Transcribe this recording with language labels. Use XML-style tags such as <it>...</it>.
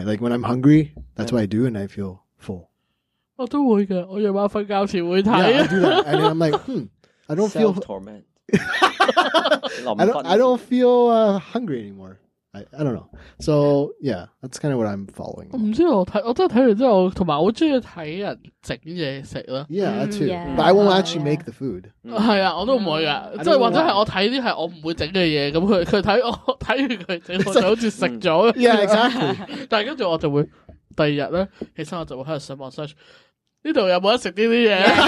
<en>Like when I'm hungry, that's what I do, and I feel full.</en> <yue>我都会嘅，我夜晚瞓觉前会睇。</yue> <en>Yeah, I do that. And then I'm like, I don't feel torment. I don't feel hungry anymore. I don't know. So yeah, that's kind of what I'm following.</en> <yue>唔知我真系睇完之后，同埋我中意睇人整嘢食啦。</yue> <en>Yeah, too. Yeah. But I won't actually make the food.</en> <yue>系啊，我都唔会噶。即系或者系我睇啲系我唔会整嘅嘢，咁佢睇我睇完佢整，就好似食咗。</yue> <en>Yeah, exactly.</en> <yue>但系跟住我就会第二日咧，起身我就会喺度上网 search。呢度有冇得食啲啲嘢</yue>